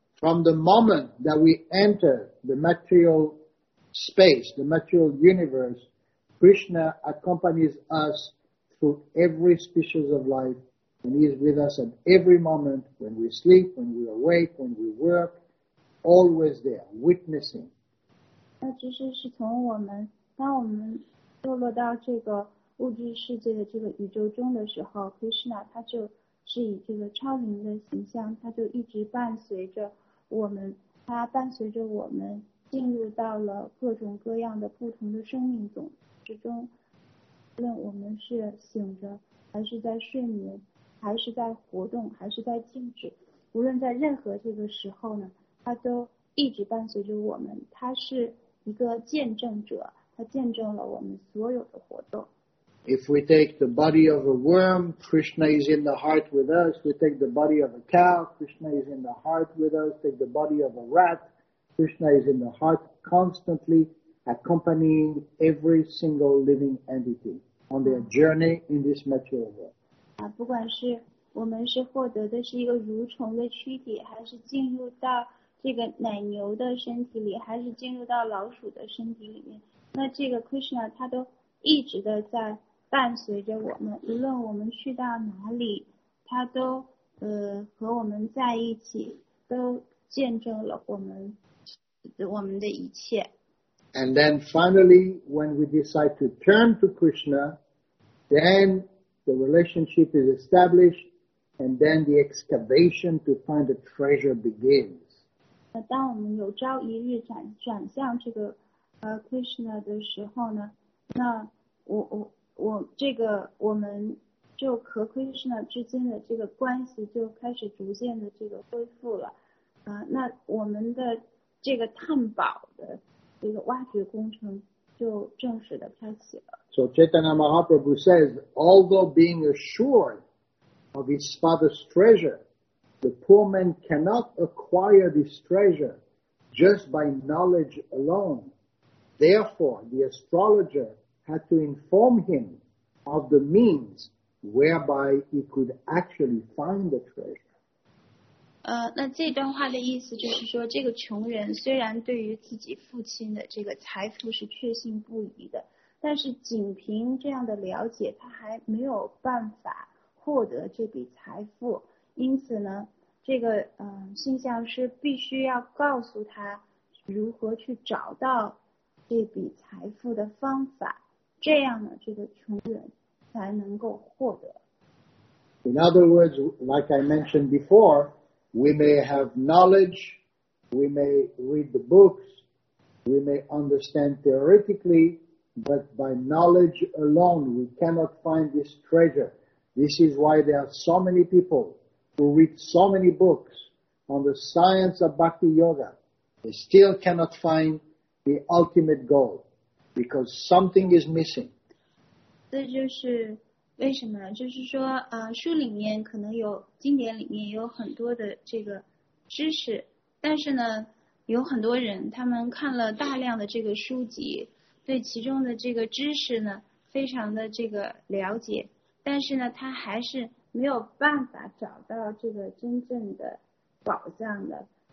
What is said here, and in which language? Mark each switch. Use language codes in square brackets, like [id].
[en] From the moment that we enter the material space, the material universe, Krishna accompanies us through every species of life. And he is with us at every moment, when we sleep, when we awake, when we work, always there, witnessing. [zh] 那其实是从我们，当我们堕落到这个物质世界的这个宇宙中的时候 ，Krishna 他就是以这个超灵的形象，他就一直伴随着我们，他伴随着我们进入到了各种各样的不同的生命种之中，无论我们是醒着还是在睡眠。还是在活动，还是在静止，无论在任何这个时候呢，他都一直伴随着我们。他是一个见证者，他见证了我们所有的活动。 [en] If we take the body of a worm, Krishna is in the heart with us. We take the body of a cow, Krishna is in the heart with us. Take the body of a rat, Krishna is in the heart constantly accompanying every single living entity on their journey in this material world. [zh] 不管是我们是获得的是一个蠕虫的躯体，还是进入到这个奶牛的身体里，还是进入到老鼠的身体里面，那这个 Krishna 他都一直的在伴随着我们，无论我们去到哪里，他都和我们在一起，都见证了我们的一切。 [en] And then finally, when we decide to turn to Krishna, then the relationship is established, And then the excavation to find the treasure begins. [zh] 那当我们有朝一日转向这个Krishna 的时候呢，那我这个我们就和 Krishna 之间的这个关系就开始逐渐的这个恢复了，那我们的这个探宝的这个挖掘工程就正式的开启了。 [en] So Chaitanya Mahaprabhu says, although being assured of his father's treasure, the poor man cannot acquire this treasure just by knowledge alone. Therefore, the astrologer had to inform him of the means whereby he could actually find the treasure. [zh] 那这段话的意思就是说，这个穷人虽然对于自己父亲的这个财富是确信不疑的，但是仅凭这样的了解，他还没有办法获得这笔财富。因此呢，这个星象师必须要告诉他如何去找到这笔财富的方法，这样呢，这个穷人才能够获得。 [en] In other words, like I mentioned before, we may have knowledge, we may read the books, we may understand theoretically, but by knowledge alone, we cannot find this treasure. This is why there are so many people who read so many books on the science of Bhakti Yoga. They still cannot find the ultimate goal because something is missing. [zh] 这就是为什么，就是说，书里面可能有，经典里面有很多的这个知识，但是呢，有很多人他们看了大量的这个书籍，对其中的这个知识呢，非常的这个了解，但是呢，他还是没有办法找到这个真正的宝藏的。